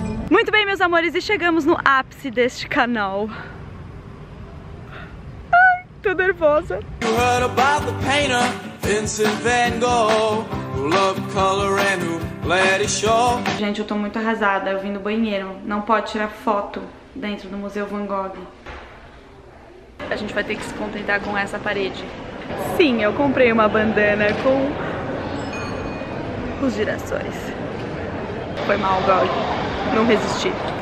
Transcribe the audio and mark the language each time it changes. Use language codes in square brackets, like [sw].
[pt] Muito bem, meus amores, e chegamos no ápice deste canal. Ai, tô nervosa. [en] You heard about the painter Vincent Van Gogh, who loved color and who let it show. [pt] Gente, eu tô muito arrasada, eu vim do banheiro. Não pode tirar foto dentro do Museu Van Gogh. A gente vai ter que se contentar com essa parede. Sim, eu comprei uma bandana com os girassóis. Foi mal, Gog. Não resisti.